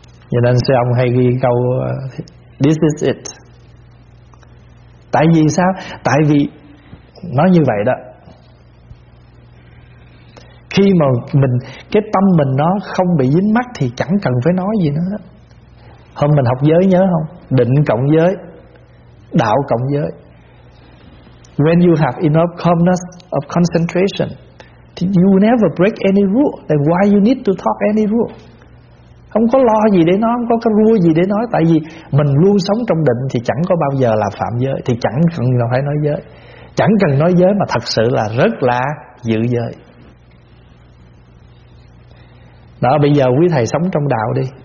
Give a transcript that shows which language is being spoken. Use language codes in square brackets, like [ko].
[vi] Cho nên sư ông hay ghi câu [en] this is it. [vi] Tại vì sao? Tại vì nó như vậy đó. Khi mà mình cái tâm mình nó không bị dính mắc thì chẳng cần phải nói gì nữa. Hôm mình học giới nhớ không? Định cộng giới, đạo cộng giới. [en] When you have enough calmness of concentration, you never break any rule. Then why you need to talk any rule? [vi] Không có lo gì để nói, không có cái rule gì để nói. Tại vì mình luôn sống trong định thì chẳng có bao giờ là phạm giới, thì chẳng cần phải nói giới. Chẳng cần nói giới mà thật sự là rất là giữ giới. Đó, bây giờ quý thầy sống trong đạo đi.